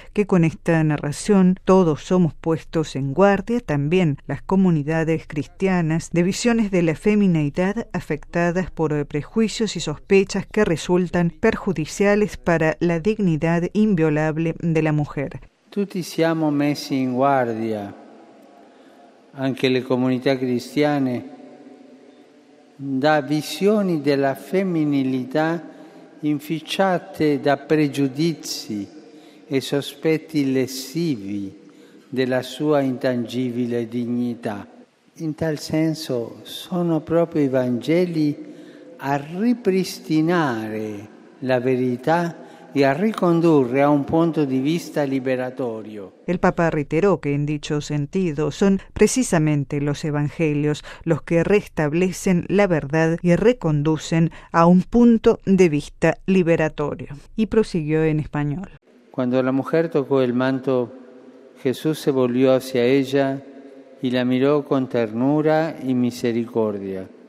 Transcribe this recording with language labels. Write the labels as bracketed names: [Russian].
[Spanish] que con esta narración todos somos puestos en guardia, también las comunidades cristianas, de visiones de la feminidad afectadas por prejuicios y sospechas que resultan perjudiciales para la dignidad inviolable de la mujer. [Italian] Tutti siamo messi in guardia, anche le comunità cristiane, da visioni della femminilità inficiate da pregiudizi e sospetti lessivi della sua intangibile dignità. In tal senso sono proprio i Vangeli a ripristinare la verità [Spanish] y a recondurre a un punto de vista liberatorio. El Papa reiteró que en dicho sentido son precisamente los evangelios los que restablecen la verdad y reconducen a un punto de vista liberatorio. Y prosiguió en español. Cuando la mujer tocó el manto, Jesús se volvió hacia ella y la miró con ternura y misericordia.